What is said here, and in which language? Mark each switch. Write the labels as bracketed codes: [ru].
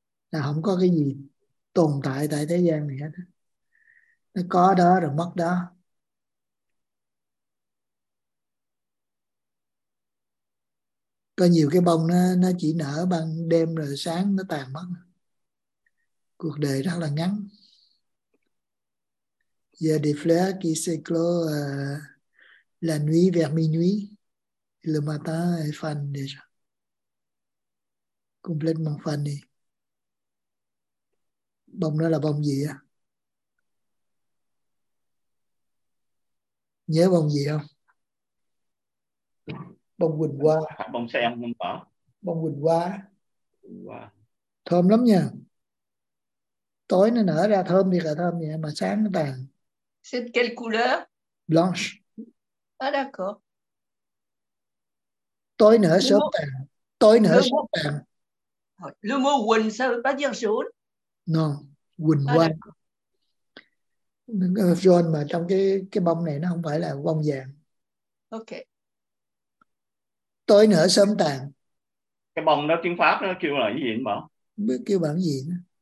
[vi] Là không có cái gì tồn tại tại thế gian này hết. Nó có đó rồi mất đó. Có nhiều cái bông nó chỉ nở ban đêm rồi sáng nó tàn mất. Cuộc đời rất là ngắn. [fr] Il y a des fleurs qui s'éclosent la nuit vers minuit. Le matin est fané déjà. Complètement fané. [vi] Bông đó là bông gì á? Nhớ bông gì không? Bông quỳnh hoa. Bông sen không có. Bông quỳnh hoa. Thơm lắm nha. Tối nó nở ra thơm thì là thơm vậy mà sáng nó tàn. [fr] C'est quelle couleur? Blanche. Ah d'accord. [vi] Tối nở sớm tàn. Tối nở sớm tàn. [fr] Le mot quỳnh ça veut pas dire jaune? Non, quỳnh hoa. [vi] John mà trong cái bông này nó không phải là bông vàng. [en] Ok. [vi] Tối nở sớm tàn. Cái bông đó tiếng Pháp nó kêu là cái gì anh bảo? Không biết kêu bản gì nữa.